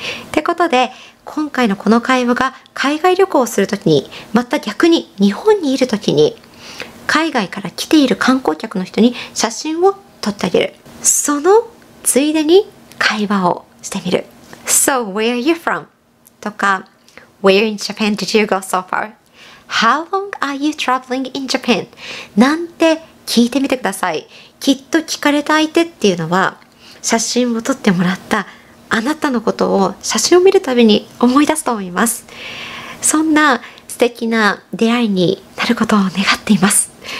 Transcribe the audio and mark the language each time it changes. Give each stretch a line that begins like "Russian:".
Japanese: ってことで今回のこの会話が海外旅行をするときに、また逆に日本にいるときに海外から来ている観光客の人に写真を撮ってあげる、そのついでに会話をしてみる。
English: So where are you from?
Japanese: とか
English: Where in Japan did you go so far? How long are you traveling in Japan?
Japanese: なんて聞いてみてください。きっと聞かれた相手っていうのは写真を撮ってもらったあなたのことを写真を見るたびに思い出すと思います。そんな素敵な出会いになることを願っています。